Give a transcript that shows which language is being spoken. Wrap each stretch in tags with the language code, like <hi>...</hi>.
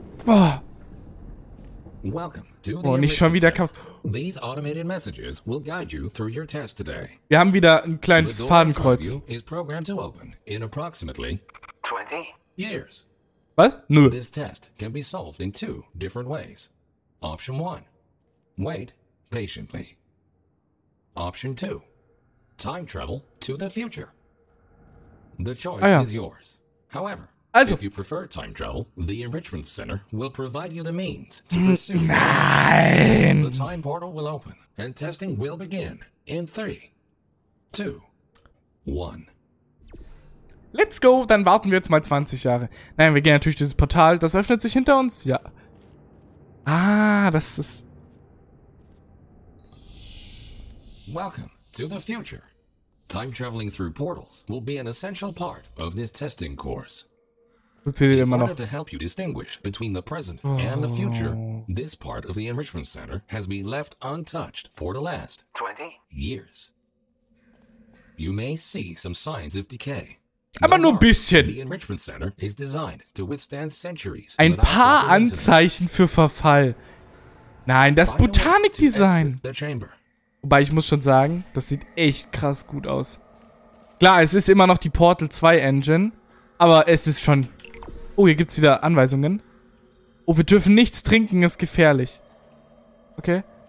<de>Oh, nicht schon wieder Chaos.</de> <en>These automated messages will guide you through your test today.</en> <de>Wir haben wieder ein kleines Fadenkreuz.</de> <en>Is programmed to open in approximately 20 years.</en> <de>Was? Nö.</de> <en>This test can be solved in 2 different ways. Option 1. Wait patiently. Option 2. Time travel to the future. The choice is yours. However, also, if you prefer time travel, the Enrichment Center will provide you the means to pursue.</en> <de>Nein!</de> <en>The time portal will open and testing will begin in 3, 2, 1. Let's go,</en> <de>dann warten wir jetzt mal 20 Jahre. Nein, wir gehen natürlich dieses Portal, das öffnet sich hinter uns, ja. Ah, das ist...</de> <en>Welcome to the future. Time traveling through portals will be an essential part of this testing course. In order to help you distinguish between the present and the future, this part of the Enrichment Center has been left untouched for the last 20 years. You may see some signs of decay.</en> <de>Aber nur ein bisschen.</de> <en>The Enrichment Center is designed to withstand centuries.</en> <de>Ein paar Anzeichen für Verfall. Nein, das Botanikdesign. Wobei ich muss schon sagen, das sieht echt krass gut aus. Klar, es ist immer noch die Portal 2 Engine, aber es ist schon... Oh, hier gibt's wieder Anweisungen. Oh, wir dürfen nichts trinken, ist gefährlich. Okay.</de>